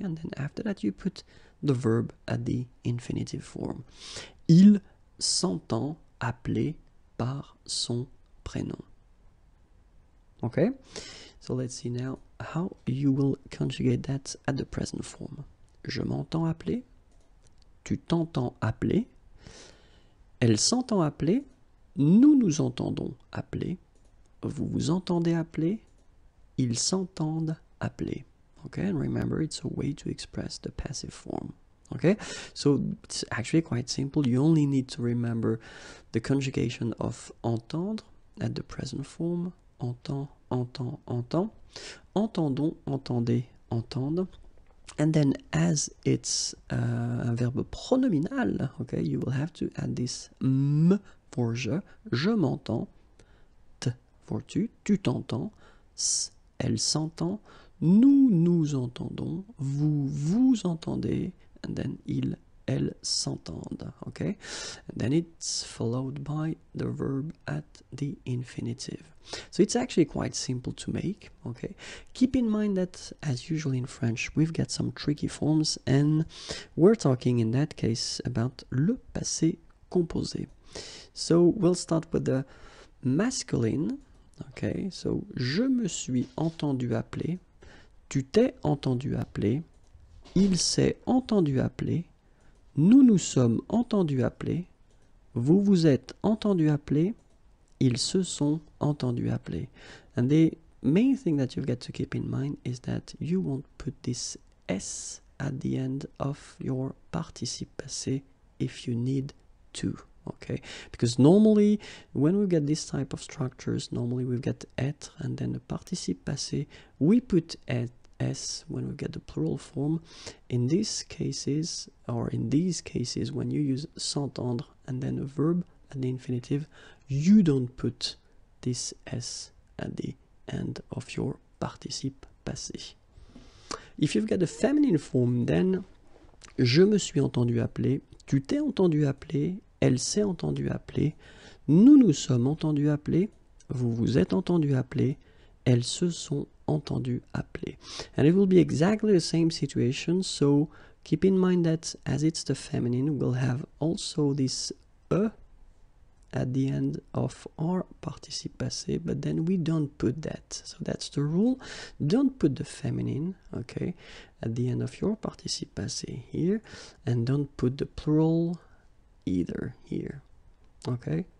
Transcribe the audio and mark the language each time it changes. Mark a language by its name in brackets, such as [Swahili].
[English] And then after that, you put the verb at the infinitive form. [French] Il s'entend appeler par son prénom, okay? [English] So let's see now how you will conjugate that at the present form. [French] Je m'entends appeler. Tu t'entends appeler. Elle s'entend appeler, nous nous entendons appeler, vous vous entendez appeler, ils s'entendent appeler. [English] Okay, and remember, it's a way to express the passive form. Okay, so it's actually quite simple. You only need to remember the conjugation of entendre at the present form. [French] Entend, entend, entend. Entendons, entendez, entendre. [English] And then as it's a verbe pronominal, okay, you will have to add this m for [French] je m'entends, [English] t for [French] tu t'entends, [English] s, [French] elle s'entend, nous nous entendons, vous vous entendez, [English] and then [French] il, elle s'entendent, [English] okay? And then it's followed by the verb at the infinitive. So it's actually quite simple to make, okay? Keep in mind that, as usual in French, we've got some tricky forms, and we're talking in that case about le passé composé. So we'll start with the masculine, okay? [French] So je me suis entendu appeler, tu t'es entendu appeler, il s'est entendu appeler, nous nous sommes entendus appeler, vous vous êtes entendus appeler, ils se sont entendus appeler. [English] And the main thing that you've got to keep in mind is that you won't put this S at the end of your participe passé if you need to, okay? Because normally, when we get this type of structures, normally we've got être and then the participe passé, we put être. S when we get the plural form. In these cases, or in these cases, when you use s'entendre and then a verb at the infinitive, you don't put this S at the end of your participe passé. If you've got a feminine form, then [French] je me suis entendu appeler, tu t'es entendu appeler, elle s'est entendu appeler, nous nous sommes entendu appeler, vous vous êtes entendu appeler, elles se sont entendu appeler. [English] And it will be exactly the same situation, so keep in mind that as it's the feminine, we'll have also this E at the end of our participe passé, but then we don't put that. So that's the rule. Don't put the feminine, okay, at the end of your participe passé here, and don't put the plural either here, okay?